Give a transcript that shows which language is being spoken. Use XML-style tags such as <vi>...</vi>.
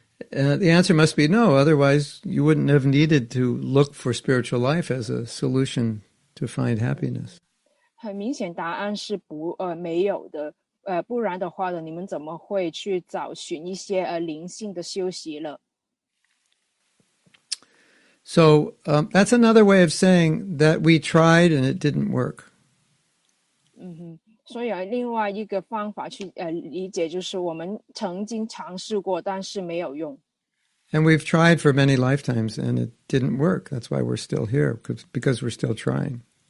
<en>The answer must be no, otherwise you wouldn't have needed to look for spiritual life as a solution to find happiness.</en> <zh>很明显答案是没有的，不然的话呢，你们怎么会去找寻一些灵性的休息呢？</zh> <en>So that's another way of saying that we tried and it didn't work.</en> <zh>所以另外一个方法去理解就是我们曾经尝试过，但是没有用。</zh> <en>And we've tried for many lifetimes and it didn't work. That's why we're still here, because we're still trying.</en>